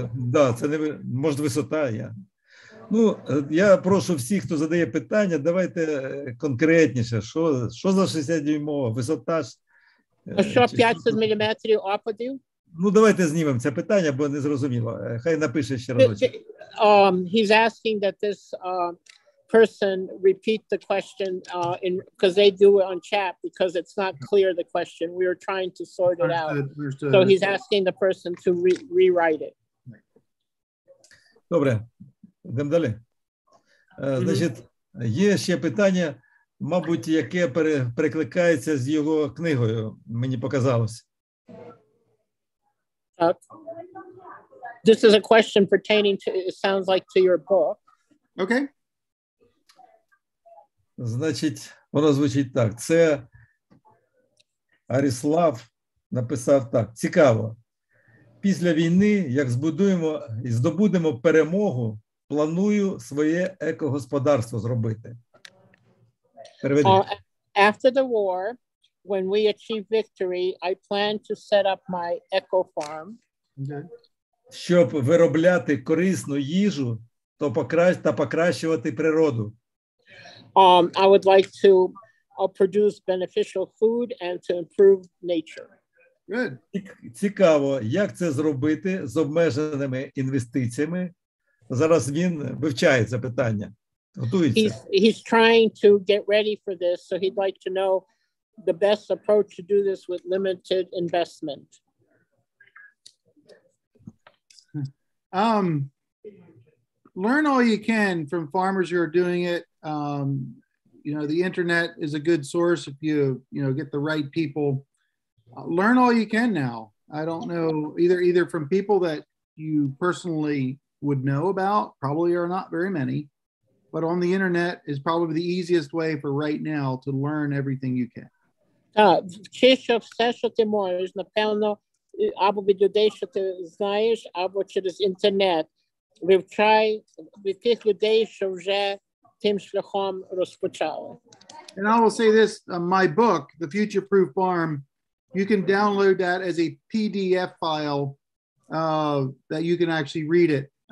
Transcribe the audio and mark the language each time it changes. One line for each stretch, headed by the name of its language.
Ukrainian: да, це не, може, висота є. Ну, я прошу всіх, хто задає питання, давайте конкретніше. Що за 60-дюймова? Висота ж? А що, 500 мм опадів? Ну, давайте знімемо це питання, бо не зрозуміло. Хай напише ще раз.
English: He's asking that this person repeat the question because they do it on chat because it's not clear the question. We were trying to sort it out. Understood. So he's asking the person to rewrite it.
Ukrainian: Добре. Йдемо далі. Значить, є ще питання, мабуть, яке перекликається з його книгою, мені показалось.
English: This is a question pertaining to, it sounds like, to your book. Okay.
Ukrainian: Значить, воно звучить так. Це Арислав написав так. Цікаво. Після війни, як збудуємо і здобудемо перемогу, планую своє екогосподарство зробити. Переведи.
English: After the war, when we achieve victory, I plan to set up my eco farm. Okay.
Ukrainian: Щоб виробляти корисну їжу та покращувати природу.
English: I would like to produce beneficial food and to improve nature. Good.
Ukrainian: Цікаво, як це зробити з обмеженими інвестиціями? Зараз він вивчає це питання. Готується.
English: He's trying to get ready for this, so he'd like to know the best approach to do this with limited investment. Learn all you can from farmers who are doing it. You know, the internet is a good source if you get the right people. Learn all you can now. I don't know, either from people that you personally would know about, probably are not very many, but on the internet is probably the easiest way for right now to learn everything you can.
Ukrainian: Чи що все, що ти можеш, напевно, або від людей, що ти знаєш, або через інтернет, вивчай від тих людей, що вже тим шляхом розпочали.
English: And I will say this, my book, The Future Proof Farm, you can download that as a PDF file that you can actually read it.